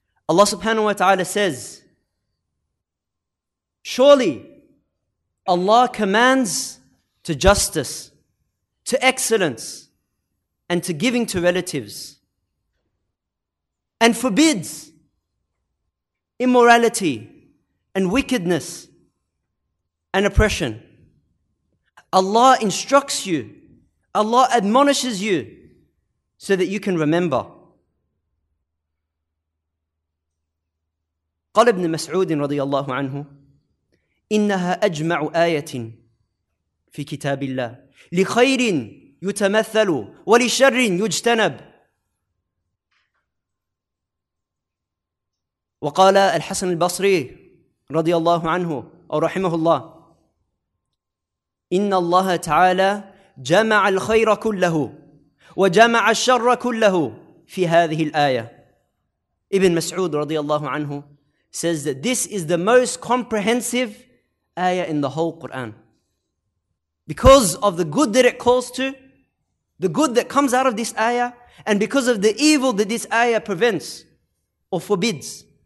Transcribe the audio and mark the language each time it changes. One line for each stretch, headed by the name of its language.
Arabic: الله سبحانه وتعالى
English: says: Surely Allah commands to justice, to excellence, and to giving to relatives, and forbids immorality and wickedness and oppression. Allah instructs you, Allah admonishes you, so that you can remember.
Arabic: قال ابن مسعود رضي الله عنه: إنها أجمع آية في كتاب الله لخير يتمثل ولشر يجتنب. وقال الحسن البصري رضي الله عنه أو رحمه الله: إن الله تعالى جمع الخير كله وجمع الشر كله في هذه الآية.
English: ابن مسعود
Arabic: رضي الله عنه
English: says that this is the most comprehensive ayah in the whole Quran. Because of the good that it calls to, the good that comes out of this ayah, and because of the evil that this ayah prevents or forbids.